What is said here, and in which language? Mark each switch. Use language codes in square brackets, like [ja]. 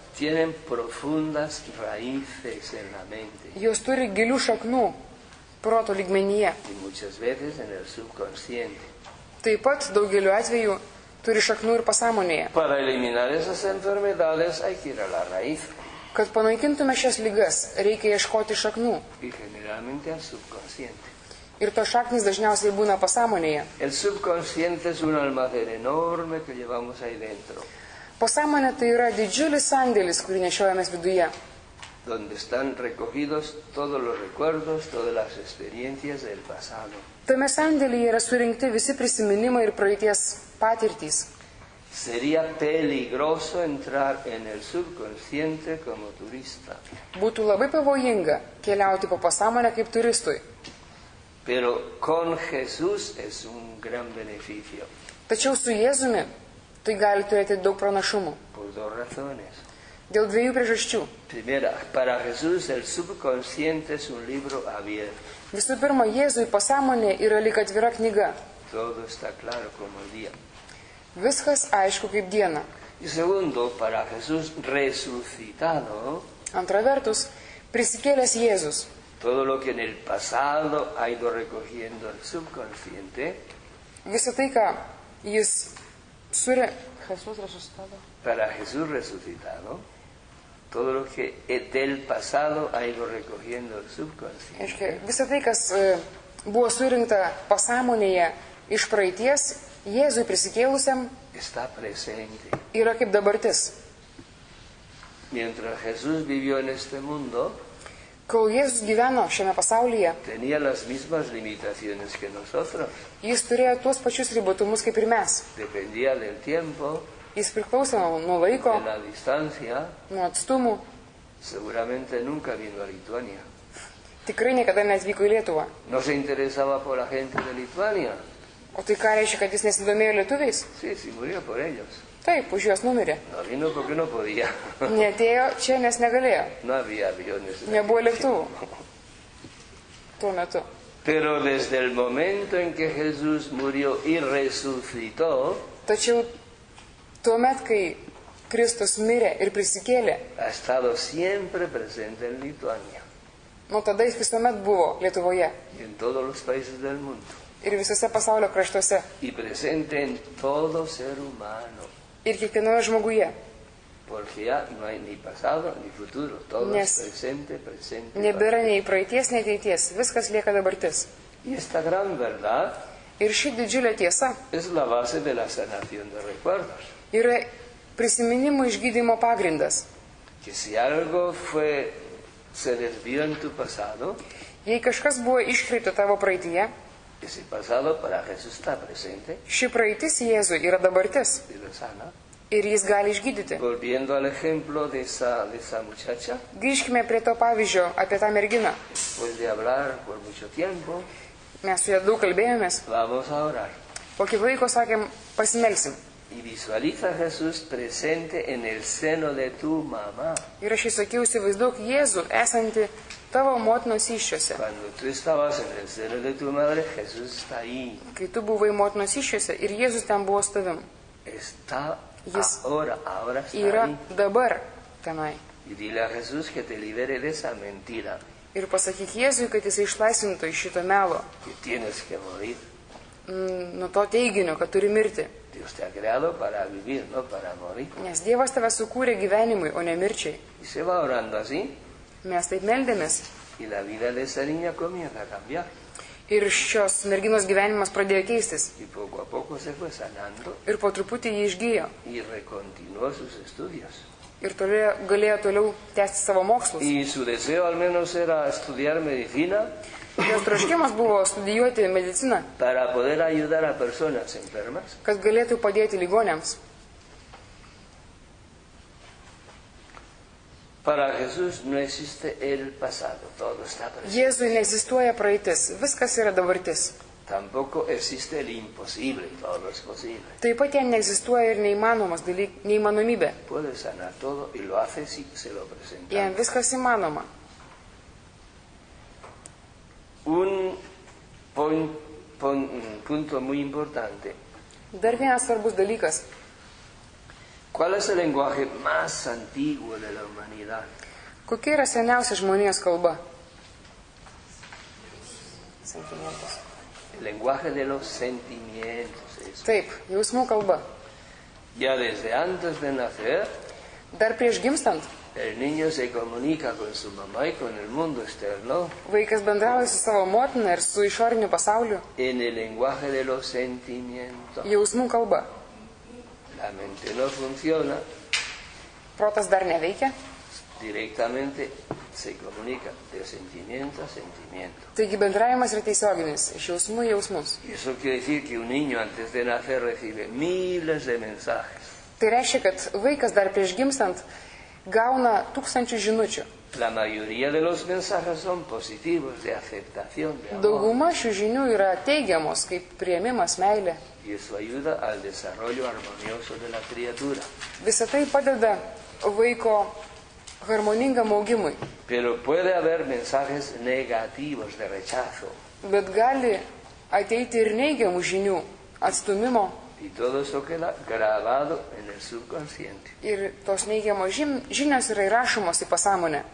[es] tienen profundas raíces en la mente. [lt] Jos turi gilių šaknų proto lygmenyje. [es] Y muchas veces en el subconsciente. [lt] Taip pat daugeliu atveju turi šaknų ir pasąmonėje. [es] Para eliminar esas enfermedades hay que ir a la raíz. [lt] Kad panaikintume šias lygas, reikia ieškoti šaknų. [es] Y generalmente el subconsciente. [lt] Ir to šaknis dažniausiai būna pasąmonėje. [es] El subconsciente es un almacén enorme que llevamos ahí dentro. [lt] Pasąmonė tai yra didžiulis sandėlis, kurį nešiojamės viduje. [es] Donde están recogidos todos los recuerdos, todas las experiencias del pasado. [lt] Tame sandėlyje yra surinkti visi prisiminimai ir praeities patirtys. [es] Sería peligroso entrar en el subconsciente como turista. [lt] Būtų labai pavojinga keliauti po pasąmonę kaip turistui. [es] Pero con Jesús es un gran beneficio. [lt] Tačiau su Jėzumi tai gali turėti daug pranašumų. [es] Por dos razones. [lt] Dėl dviejų priežasčių. [es] Primera, para Jesús el subconsciente es un libro abierto. [lt] Visų pirma, Jėzui pasąmonė yra lyg atvira knyga. [es] Todo está claro como el día. [lt] Viskas aišku kaip diena. [es] Y segundo, para Jesús resucitado. [lt] Antra vertus, prisikėlęs Jėzus. [es] Todo lo que en el pasado ha ido recogiendo el subconsciente. [lt] Visa tai, ką jis surė. [es] Jesús resucitado. Para Jesús resucitado, todo lo que del pasado ha ido recogiendo el subconsciente. Es que [lt] visa tai, kas buvo surinkta pasąmonėje iš praeities, Jėzui prisikėlusiam [es] está presente. [lt] Yra kaip dabartis. [es] Mientras Jesús vivió en este mundo, [lt] Kol Jėzus gyveno šiame pasaulyje, [es] tenía las mismas limitaciones que nosotros. [lt] Jis turėjo tuos pačius ribotumus kaip ir mes. [es] Dependía del tiempo, [lt] jis priklausė nuo laiko, [es] de la distancia, [lt] nuo atstumų. [es] Seguramente nunca vino a Lituania. [lt] Tikrai niekada neatvyko į Lietuvą. [es] No se interesaba por la gente de Lituania. [lt] O tai ką reiškia, kad jis nesidomėjo lietuviais? [es] Sí, sí, murió por ellos. [lt] Taip, už juos numirė. [es] No vino porque no podía. [lt] Neatėjo čia, nes negalėjo. [es] No había aviones. [lt] Nebuvo lėktuvų. Tuo metu. [es] Pero desde el momento en que Jesús murió y resucitó, [lt] tačiau tuo met, kai Kristus mirė ir prisikėlė, [es] ha estado siempre presente en Lituania. [lt] Nuo tada jis visuomet buvo Lietuvoje. [es] Y en todos los países del mundo. [lt] Ir visose pasaulio kraštuose. [es] Y presente en todo ser humano. [lt] Ir kiekvienoje žmoguje. [es] Porque ya no hay ni pasado ni futuro, todo es presente, presente. [lt] Nebėra nei praeities, nei ateities, viskas lieka dabartis. [es] Y esta gran verdad. [lt] Ir ši didžiulė tiesa. [es] Es la base de la sanación de recuerdos. [lt] Yra prisiminimų išgydymo pagrindas. [es] Que si algo fue se desvió en tu pasado. [lt] Jei kažkas buvo iškreipta tavo praeityje. [es] Ese pasado para Jesús está presente. [lt] Ši praeitis Jėzui yra dabartis. Ir jis gali išgydyti. [es] Volviendo al ejemplo de esa muchacha. [lt] Grįžkime prie to pavyzdžio apie tą merginą. [es] Después de hablar por mucho tiempo. [lt] Mes su ja daug kalbėjomės. [es] Vamos a orar. [lt] Po kiek laiko sakėm, pasimelsim. [es] Y visualiza a Jesús presente en el seno de tu mamá. [lt] Ir aš įsakiau, įsivaizduok Jėzų esantį tavo motinos įščiose. [es] Cuando tú estabas en el seno de tu madre, Jesús está ahí. [lt] Kai tu buvai motinos įščiose ir Jėzus ten buvo su tavim. [es] Está ahora, ahora está [lt] yra [es] ahí. [lt] Dabar tenai. [es] Y dile a Jesús que te libere de esa mentira. [lt] Ir pasakyk Jėzui, kad jisai išlaisvintų iš šito melo. [es] Que tienes que morir. [lt] Nuo to teiginio, kad turi mirti. [es] Dios te ha creado para vivir, no para morir. [lt] Nes Dievas tave sukūrė gyvenimui, o ne mirčiai. [es] Y se va orando así. [lt] Mes taip meldėmės. [es] Y la vida de esa niña comienza a cambiar. [lt] Ir šios merginos gyvenimas pradėjo keistis. [es] Y poco a poco se fue sanando. [lt] Ir po truputį jį išgyjo. [es] Y recontinuó sus estudios. [lt] Ir galėjo toliau tęsti savo mokslus. [es] Y su deseo al menos era estudiar medicina. [lt] Jos troškimas buvo studijuoti mediciną. [es] Para poder ayudar a personas enfermas. [lt] Kad galėtų padėti ligoniams. [es] Para Jesús no existe el pasado, todo está presente. [lt] Jėzui neegzistuoja praeitis, viskas yra dabartis. [es] Tampoco existe el imposible, todo es posible. [lt] Taip pat jam neegzistuoja ir neįmanomas dalyk, neįmanomybė. [es] Puede sanar todo y lo hace si se lo presenta. [lt] Jam viskas įmanoma. [es] Un punto muy importante. [lt] Dar vienas svarbus dalykas. [es] ¿Cuál es el lenguaje más antiguo de la humanidad? [lt] Kokia yra seniausia žmonijos kalba? [es] El lenguaje de los sentimientos. Eso. [lt] Taip, jausmų kalba. [es] Ya desde antes de nacer. [lt] Dar prieš gimstant. [es] El niño se comunica con su mamá y con el mundo externo. [lt] Vaikas bendrauja su savo motina ir su išoriniu pasauliu. [es] En el lenguaje de los sentimientos. [lt] Jausmų kalba. [es] La mente no funciona. [lt] Protas dar neveikia. [es] Directamente se comunica de sentimiento a sentimiento. [lt] Taigi bendravimas yra tiesioginis, iš jausmų į jausmus. [es] Eso quiere decir que un niño antes de nacer recibe miles de mensajes. [lt] Tai reiškia, kad vaikas dar prieš gimstant gauna tūkstančių žinučių. [es] La mayoría de los mensajes son positivos de aceptación de amor. [lt] Dauguma šių žinių yra teigiamos, kaip priėmimas, meilė. [es] Y eso ayuda al desarrollo armonioso de la criatura. [lt] Visa tai padeda vaiko harmoningam augimui. [es] Pero puede haber mensajes negativos de rechazo. [lt] Bet gali ateiti ir neigiamų žinių, atstumimo. [es] Y todo eso queda grabado en el subconsciente. [lt] Ir tos neigiamos žinios yra įrašomos į pasąmonę.